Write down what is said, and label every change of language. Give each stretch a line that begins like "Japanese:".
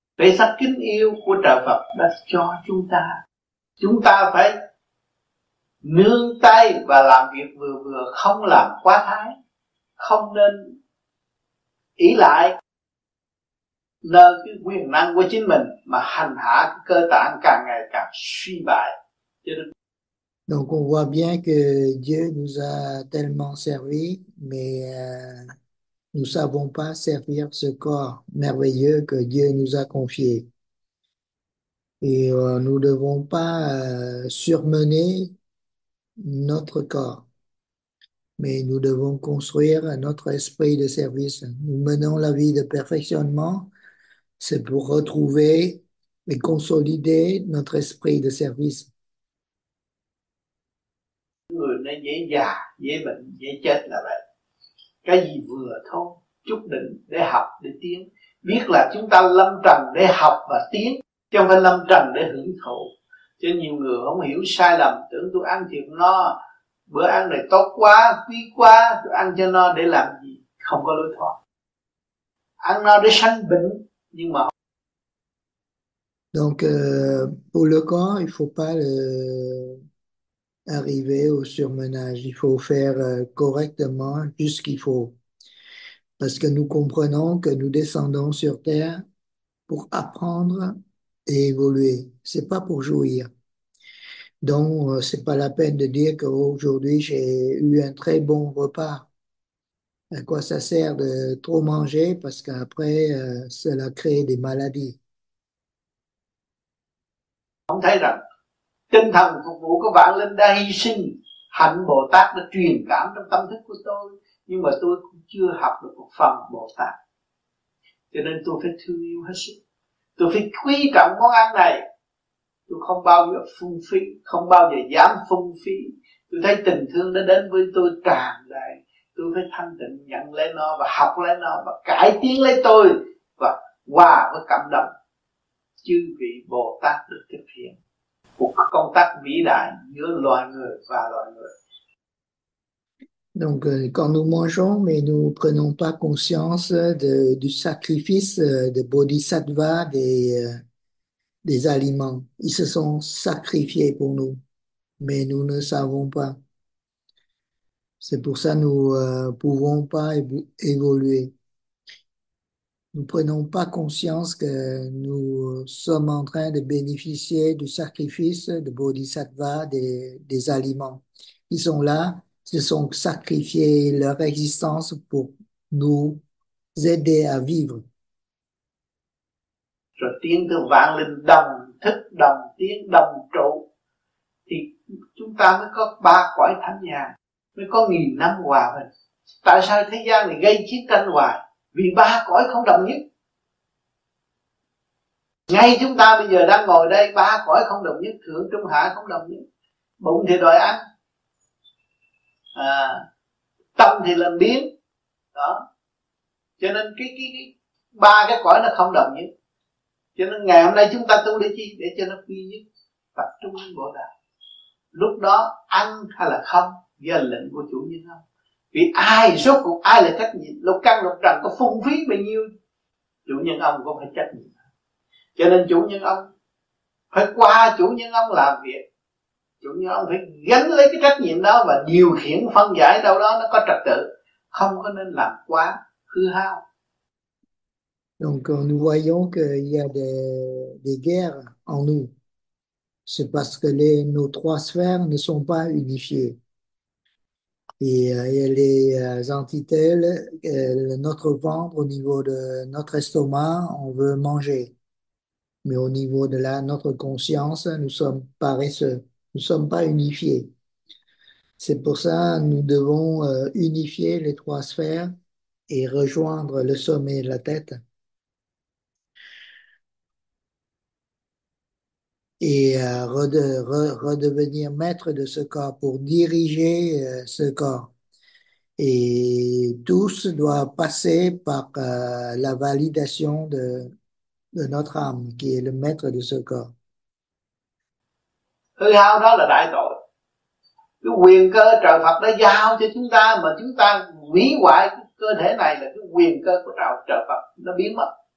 Vietnamese: Thể xác kính yêu của trời Phật đã cho chúng ta, chúng ta phải nương tay và làm việc vừa vừa, không làm quá thái, không nên ỷ lại nơi cái quyền năng của chính mình mà hành hạ cơ tạng càng ngày càng suy bại.
French: Donc on voit bien que Dieu nous a tellement servi, mais nous savons pas servir ce corps merveilleux que Dieu nous a confié. Et nous devons pas surmener notre corps. Mais nous devons construire notre esprit de service. Nous menons la vie de perfectionnement. C'est pour retrouver et consolider notre esprit de service.
Vietnamese: Người nó dễ già, dễ bệnh, dễ chết là vậy. Cái gì vừa thôi, chút định để học, để tiến. Biết là chúng ta lâm trần để học và tiến, chứ không phải lâm trần để hưởng thụ. Cho nhiều người không hiểu sai lầm, tưởng tôi ăn thiệt no, bữa ăn này tốt quá, quý quá, tôi ăn cho no để làm gì, không có lối thoát. Ăn no để sanh bệnh.
French: Donc, pour le corps, il ne faut pas arriver au surmenage. Il faut faire correctement juste ce qu'il faut. Parce que nous comprenons que nous descendons sur Terre pour apprendre et évoluer. Ce n'est pas pour jouir. Donc, ce n'est pas la peine de dire qu'aujourd'hui, j'ai eu un très bon repas. À quoi ça sert de trop manger? Parce qu'après, cela crée des maladies.
Vietnamese: Ông thấy rằng tinh thần phục vụ của vạn linh đã hy sinh, hạnh Bồ Tát đã truyền cảm trong tâm thức của tôi, nhưng mà tôi cũng chưa học được một phần Bồ Tát. Cho nên tôi phải thương yêu hết sức. Tôi phải quý trọng món ăn này. Tôi không bao giờ phung phí, không bao giờ dám phung phí. Tôi thấy tình thương đã đến với tôi tràn đầy. Tôi phải thanh tịnh nhận lấy nó và học lấy nó và cải tiến lấy tôi và hòa với cảm động chư vị Bồ Tát được thực hiện một công tác vĩ đại giữa loài người và loài người.
French: Donc quand nous mangeons mais nous prenons pas conscience du sacrifice des bodhisattvas des aliments, ils se sont sacrifiés pour nous mais nous ne savons pas. C'est pour ça que nous ne pouvons pas évoluer. Nous ne prenons pas conscience que nous sommes en train de bénéficier du sacrifice de Bodhisattva, des aliments. Ils sont là, se sont sacrifiés leur existence pour nous aider à vivre.
Vietnamese: Rồi tiếng tự vang lên đồng thức, đồng tiếng, đồng trụ. Thì chúng ta mới có ba cõi thánh nhà, mới có nghìn năm hòa bình. Tại sao thế gian này gây chiến tranh hoài? Vì ba cõi không đồng nhất. Ngay chúng ta bây giờ đang ngồi đây, ba cõi không đồng nhất, thượng trung hạ không đồng nhất. Bụng thì đòi ăn, tâm thì làm biến. Đó. Cho nên cái ba cái cõi nó không đồng nhất. Cho nên ngày hôm nay chúng ta tu để chi? Để cho nó quy nhất, tập trung Bồ Đà. Lúc đó ăn hay là không do lệnh của chủ nhân không? Vì ai rốt cuộc ai là trách nhiệm? Lục căn lục trần có phung phí bao nhiêu, chủ nhân ông cũng phải trách nhiệm. Cho nên chủ nhân ông phải qua chủ nhân ông làm việc. Chủ nhân ông phải gánh lấy cái trách nhiệm đó và điều khiển phân giải đâu đó nó có trật tự. Không có nên làm quá hư hao.
French: Donc nous voyons qu'il y a des guerres en nous. C'est parce que nos trois sphères ne sont pas unifiées. Et les entités, notre ventre au niveau de notre estomac, on veut manger. Mais au niveau de notre conscience, nous sommes paresseux. Nous ne sommes pas unifiés. C'est pour ça que nous devons unifier les trois sphères et rejoindre le sommet de la tête. Et redevenir maître de ce corps pour diriger ce corps. Et tous doivent passer par la validation de notre âme qui est le maître de ce corps.
Vietnamese: Hư hao đó là đại tội. Cái quyền cơ trời Phật đã giao cho chúng ta mà chúng ta hủy hoại cơ thể này là cái quyền cơ của trời Phật nó biến mất.